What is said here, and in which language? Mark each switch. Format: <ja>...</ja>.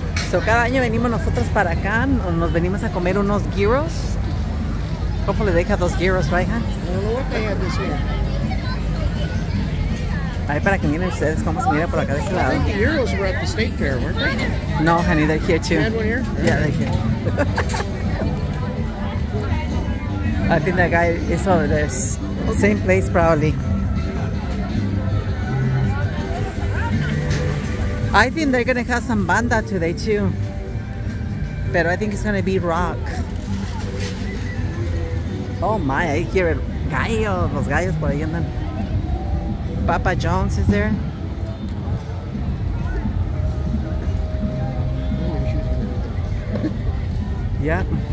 <es>So, cada año venimos nosotros para acá, nos venimos a comer unos gyros. ¿Cómo le deja dos gyros,</es> <en>right, hon?</en> <es>Ahí para que miren ustedes cómo se mira por acá de este lado.</es> <en>I think the gyros were at the state fair, weren't they? No, honey, they're here too. You had one here? Yeah, they're here. I think that guy is over there. Okay. Same place, probably. I think they're gonna have some banda today too. But I think it's gonna be rock. Oh my, I hear it.</en> <es>Gallos, los gallos por ahí andan.</es> <en>Papa John's is there. Yeah.</en>